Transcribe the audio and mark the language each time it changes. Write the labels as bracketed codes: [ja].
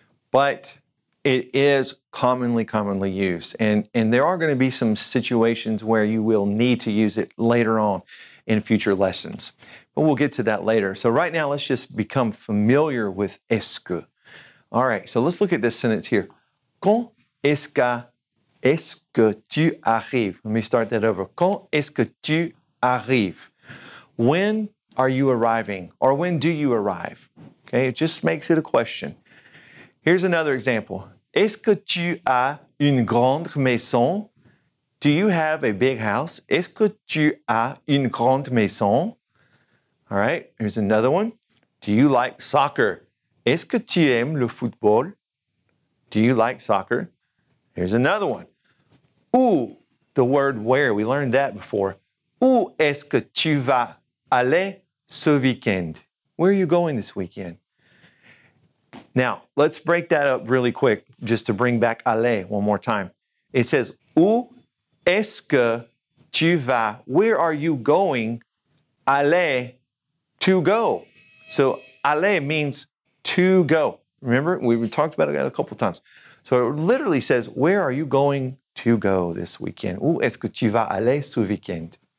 [en] But it is commonly used. And there are going to be some situations where you will need to use it later on in future lessons. But we'll get to that later. So right now, let's just become familiar with est-ce que. All right, so let's look at this sentence here. [fr] Quand est-ce que est-ce que tu arrives? Let me start that over. Quand est-ce que tu arrives? [en] When are you arriving? Or when do you arrive? Okay, it just makes it a question. Here's another example. [fr] Est-ce que tu as une grande maison? [en] Do you have a big house? [fr] Est-ce que tu as une grande maison? [en] All right, here's another one. Do you like soccer? [fr] Est-ce que tu aimes le football? [en] Do you like soccer? Here's another one. Où, the word where, we learned that before. [fr] Où est-ce que tu vas aller ce weekend? [en] Where are you going this weekend? Now, let's break that up really quick, just to bring back aller one more time. It says, [fr] où est-ce que tu vas, [en] where are you going, aller to go? So, aller means to go. Remember, we talked about it a couple times. So, it literally says, where are you going to go this weekend? [fr] Où est-ce que tu vas aller ce weekend?